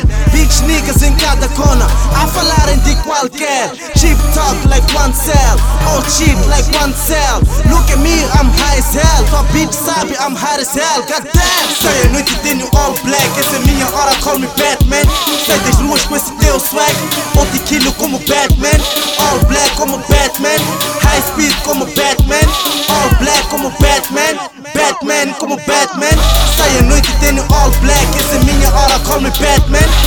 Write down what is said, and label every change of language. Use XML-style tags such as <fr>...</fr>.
<en>Bitch niggas</en> <pt>em cada cona a falarem de qualquer.</pt> <en>Cheap talk like one cell. All cheap like one cell. Look at me, I'm high as hell.</en> <pt>Tua bitch sabe</pt> <en>I'm high as hell. God damn.</en> <pt>Sai a noite e tenho</pt> <en>all black.</en> <pt>Essa é minha hora,</pt> <en>call me Batman.</en> <pt>Sai das luas com esse teu swag. Ou de quilo como Batman.</pt> <en>All black como Batman. High speed como Batman. All black como Batman. Batman como Batman.</en> <pt>Sai a noite e tenho</pt> <en>all black.</en> <pt>Essa é minha hora,</pt> <en>call me Batman.</en>